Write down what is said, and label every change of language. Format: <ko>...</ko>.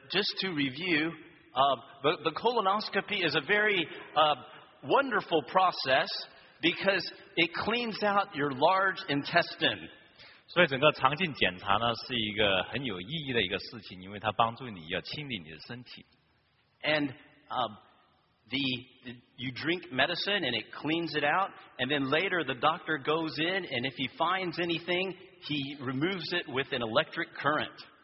<en>just to review, the colonoscopy is a very wonderful process because it cleans out your large intestine.</en> <zh>所以整个肠镜检查呢，是一个很有意义的一个事情，因为它帮助你要清理你的身体。</zh> <en>And You drink medicine and it cleans it out, and then later the doctor goes in, and if he finds anything, he removes it with an electric current.</en>